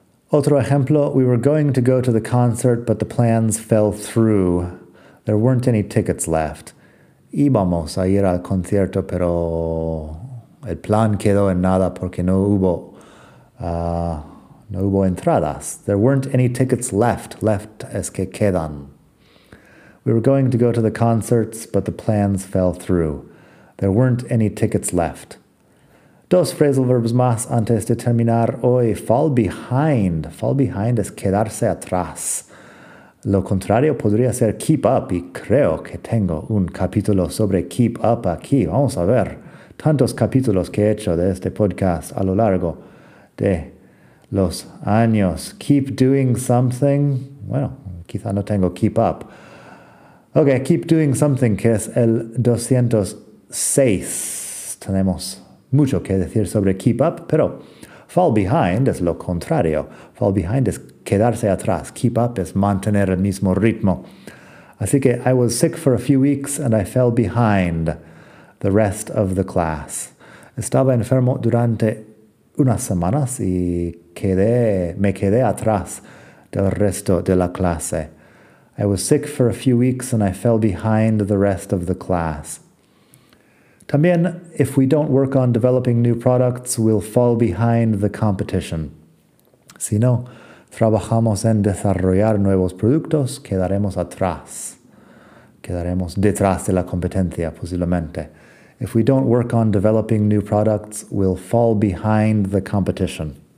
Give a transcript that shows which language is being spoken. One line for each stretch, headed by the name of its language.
Spanish: Otro ejemplo,
English: we were going to go to the concert, but the plans fell through. There weren't any tickets left.
Spanish: Íbamos a ir al concierto, pero el plan quedó en nada porque no hubo entradas.
English: There weren't any tickets left. Left
Spanish: es que quedan.
English: We were going to go to the concerts, but the plans fell through. There weren't any tickets left.
Spanish: Dos phrasal verbs más antes de terminar hoy. Fall behind. Fall behind es quedarse atrás. Lo contrario podría ser keep up, y creo que tengo un capítulo sobre keep up aquí. Vamos a ver tantos capítulos que he hecho de este podcast a lo largo de los años.
English: Keep doing something.
Spanish: Bueno, quizá no tengo
English: keep up. Ok, keep doing something,
Spanish: que es el 206. Tenemos mucho que decir sobre keep up, pero fall behind es lo contrario. Fall behind es quedarse atrás. Keep up es mantener el mismo ritmo. Así que
English: I was sick for a few weeks and I fell behind the rest of the class.
Spanish: Estaba enfermo durante unas semanas y me quedé atrás del resto de la clase.
English: I was sick for a few weeks and I fell behind the rest of the class.
Spanish: También,
English: if we don't work on developing new products, we'll fall behind the competition.
Spanish: Si no trabajamos en desarrollar nuevos productos, quedaremos atrás. Quedaremos detrás de la competencia, posiblemente.
English: If we don't work on developing new products, we'll fall behind the competition.